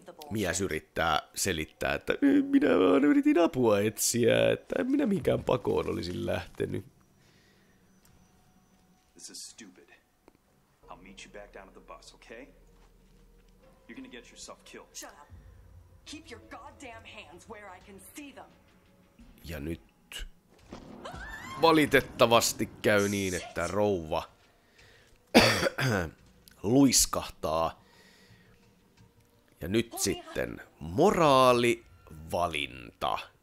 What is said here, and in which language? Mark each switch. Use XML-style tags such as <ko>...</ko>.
<fi>Mies yrittää selittää, että minä vaan yritin apua etsiä, että en minä mikään pakoon olisi lähtenyt.</fi> <en>This is stupid. I'll meet you back down at the bus, okay? You're gonna get yourself killed. Shut up. Keep your goddamn hands where I can see them.</en> <fi>Ja nyt valitettavasti käy niin, että rouva luiskahtaa. Ja nyt sitten moraalivalinta.</fi>